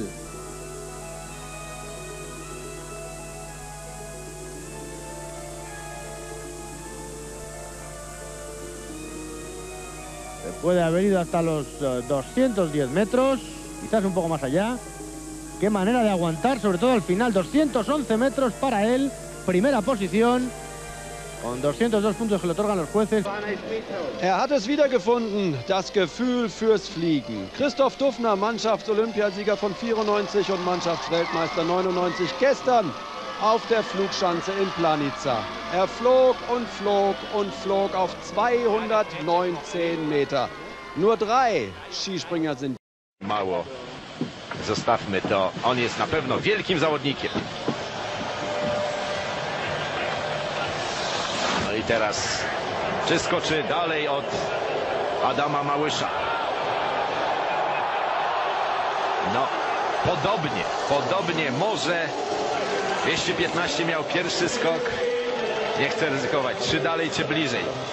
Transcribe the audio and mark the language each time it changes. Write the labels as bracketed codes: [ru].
[es] Se puede haber ido hasta los 210 metros, quizás un poco más allá. Qué manera de aguantar, sobre todo al final, 211 metros para él, primera posición, con 202 puntos que le otorgan los jueces. [de] Er hat es wiedergefunden, das Gefühl fürs Fliegen. Christoph Dufner, Mannschafts-Olympiasieger von 94 und Mannschaftsweltmeister 99, gestern auf der Flugschanze in Planica. Er flog und flog und flog auf 219 Meter. Nur drei Skispringer sind... [pl] Mauer. Zostawmy to. On jest na pewno wielkim zawodnikiem. No i teraz przeskoczy dalej od Adama Małysza. No, podobnie może 215 miał pierwszy skok. Nie chcę ryzykować. Czy dalej, czy bliżej?